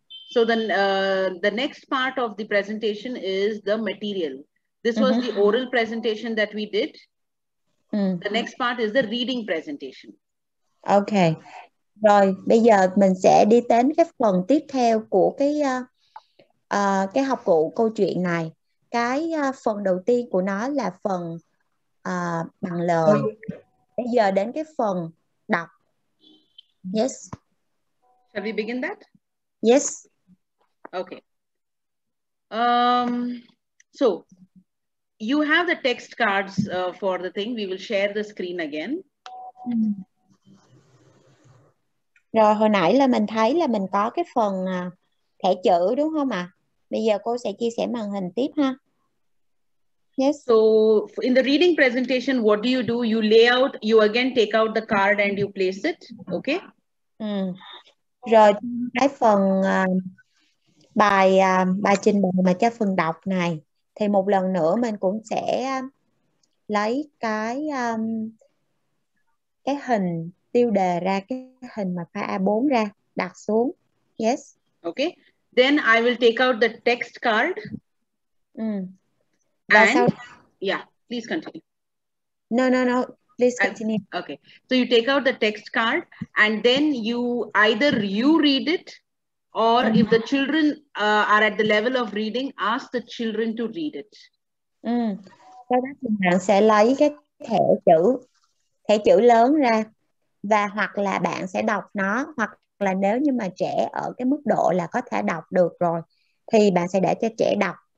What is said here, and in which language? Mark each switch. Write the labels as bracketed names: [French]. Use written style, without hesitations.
[English] So then the next part of the presentation is the material. This was the oral presentation that we did. The next part is the reading presentation. Okay. [Vietnamese] Rồi, bây giờ mình sẽ đi đến cái phần tiếp theo của cái học cụ câu chuyện này. Cái phần đầu tiên của nó là phần bằng lời. Bây giờ đến cái phần đọc. Yes. [English] Have we begin that? Yes. Okay. So you have the text cards for the thing. We will share the screen again. [Vietnamese] Rồi hồi nãy là mình thấy là mình có cái phần thẻ chữ đúng không ạ? Bây giờ cô sẽ chia sẻ màn hình tiếp ha. [English] Yes. So in the reading presentation, what do you do? You lay out, you again take out the card and you place it. Okay. [Vietnamese] Rồi cái phần bài bài trình bày mà cho phần đọc này thì một lần nữa mình cũng sẽ lấy cái hình tiêu đề ra, cái hình mà file A4 ra đặt xuống. [English] Yes. Okay. Then I will take out the text card. [Vietnamese] Và [English] and [Vietnamese] sau... [English] yeah, please continue. No. Please continue. Okay. So you take out the text card and then you either you read it or if the children are at the level of reading, ask the children to read it. [Vietnamese] Sau đó thì bạn sẽ lấy cái thẻ chữ lớn ra và hoặc là bạn sẽ đọc nó, hoặc là nếu như mà trẻ ở cái mức độ là có thể đọc được rồi thì bạn sẽ để cho trẻ đọc.